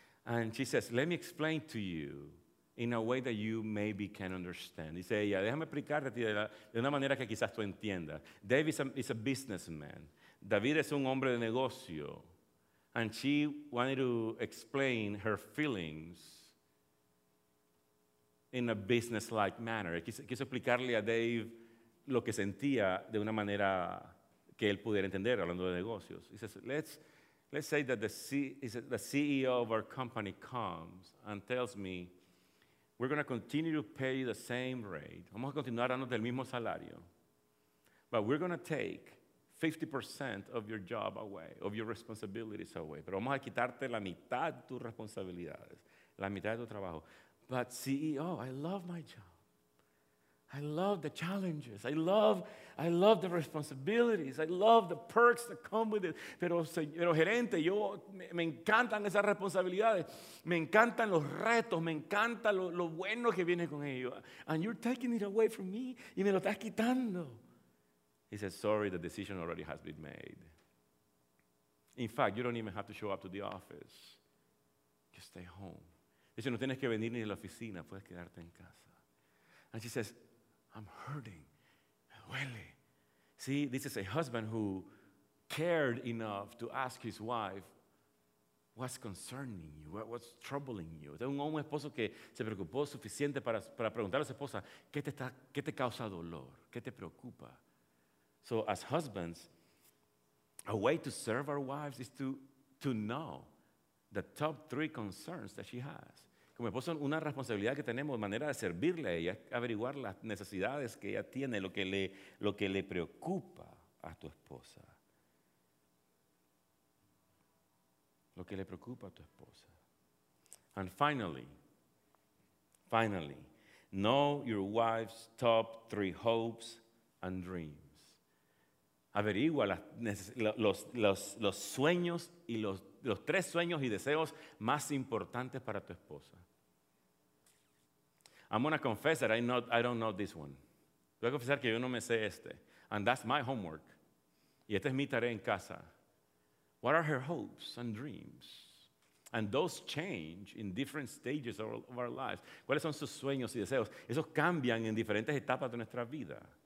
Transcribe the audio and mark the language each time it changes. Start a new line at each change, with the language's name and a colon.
English: And she says, let me explain to you in a way that you maybe can understand.
Spanish: Dice ella, déjame explicarte a ti de una manera que quizás tú entiendas.
English: Dave is a businessman.
Spanish: David es un hombre de negocio.
English: And she wanted to explain her feelings in a business-like manner.
Spanish: Quiso explicarle a Dave lo que sentía de una manera que él pudiera entender hablando de negocios.
English: He says, let's say that the CEO of our company comes and tells me, we're going to continue to pay you the same rate.
Spanish: Vamos a continuar dándote el mismo salario.
English: But we're going to take 50% of your job away, of your responsibilities away.
Spanish: Pero vamos a quitarte la mitad de tus responsabilidades, la mitad de tu trabajo.
English: But CEO, I love my job. I love the challenges. I love the responsibilities. I love the perks that come with it.
Spanish: Pero gerente, yo me encantan esas responsabilidades. Me encantan los retos. Me encanta lo bueno que viene con ello.
English: And you're taking it away from me.
Spanish: Y me lo estás quitando.
English: He says, sorry, the decision already has been made. In fact, you don't even have to show up to the office. Just stay home.
Spanish: Dice, no tienes que venir ni a la oficina. Puedes quedarte en casa.
English: And she says, I'm hurting.
Spanish: Me duele.
English: See, this is a husband who cared enough to ask his wife, what's concerning you? What's troubling you?
Spanish: Es un esposo que se preocupó suficiente para preguntar a su esposa, ¿qué te causa dolor? ¿Qué te preocupa?
English: So as husbands, a way to serve our wives is to know the top three concerns that she has.
Spanish: Como esposo, una responsabilidad que tenemos de manera de servirle a ella, averiguar las necesidades que ella tiene, lo que le preocupa a tu esposa. Lo que le preocupa a tu esposa.
English: And finally, know your wife's top three hopes and dreams.
Spanish: Averigua los sueños y los tres sueños y deseos más importantes para tu esposa.
English: I'm going to confess that I don't know this one.
Spanish: Voy a confesar que yo no me sé este.
English: And that's my homework.
Spanish: Y esta es mi tarea en casa.
English: What are her hopes and dreams? And those change in different stages of our lives.
Spanish: ¿Cuáles son sus sueños y deseos? Esos cambian en diferentes etapas de nuestra vida.